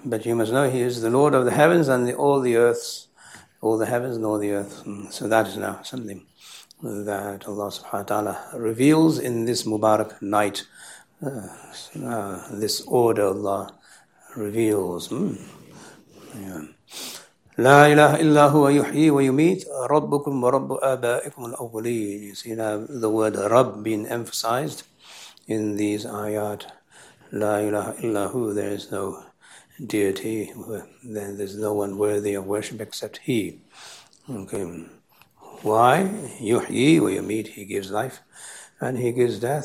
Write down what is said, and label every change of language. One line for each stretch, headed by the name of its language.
English: But you must know he is the Lord of the heavens and all the heavens and all the earth. So that is now something that Allah subhanahu wa ta'ala reveals in this Mubarak night. This order Allah reveals.
Arabic: لا إله إلا هو يحيي ويميت ربكم ورب آبائكم الأولين.
English: You see now the word رب being emphasized in these ayat.
Arabic: لا إله إلا هو,
English: there is no deity, then there's no one worthy of worship except he. Okay. Why?
Arabic: يحيي ويميت,
English: he gives life and he gives death.